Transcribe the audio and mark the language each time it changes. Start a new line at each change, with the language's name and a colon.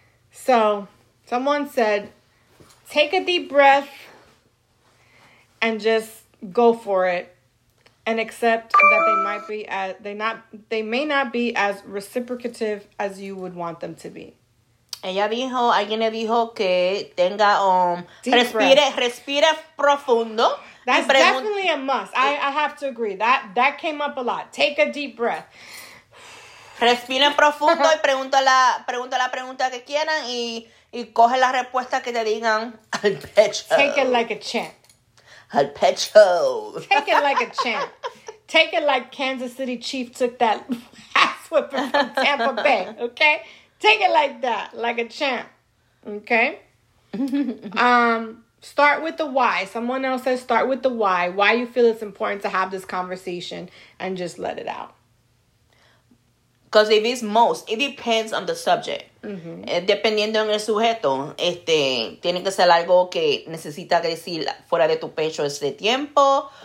English: So, someone said, take a deep breath and just go for it and accept that they may not be as reciprocative as you would want them to be.
Spanish: Ella dijo, alguien le dijo que tenga, respire profundo.
English: That's definitely a must. I have to agree. That came up a lot. Take a deep breath.
Spanish: Respire profundo y pregunta la pregunta que quieran y coge la respuesta que te digan al pecho.
English: Take it like a champ.
Spanish: Al pecho.
English: Take it like a champ. Take it like Kansas City Chief took that ass whipper from Tampa Bay, okay? Take it like that, like a champ, okay? Start with the why. Someone else says start with the why you feel it's important to have this conversation and just let it out. Because if it's most, it depends on the subject. Mm-hmm.
Spanish: Dependiendo en el sujeto, tiene que ser algo que necesita decir fuera de tu pecho ese tiempo.